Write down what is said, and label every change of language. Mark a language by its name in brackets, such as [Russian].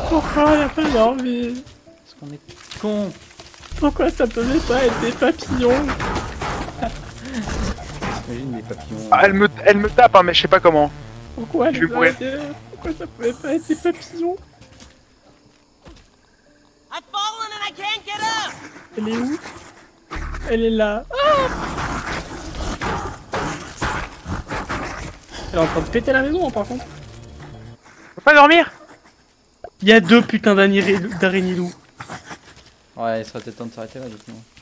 [French] Pourquoi elle a pas d'envie? Parce qu'on est con. Pourquoi ça peut pas être des papillons? Elle me tape hein, mais je sais pas comment. Pourquoi elle est pourquoi ça pouvait pas être des papillons? [English] I've fallen and I can't get up. [French] Elle est où? Elle est là. Ah, elle est en train de péter la maison hein, par contre. Faut pas dormir. Il y a deux putains d'araignées loups. Ouais, il serait peut-être temps de s'arrêter là justement.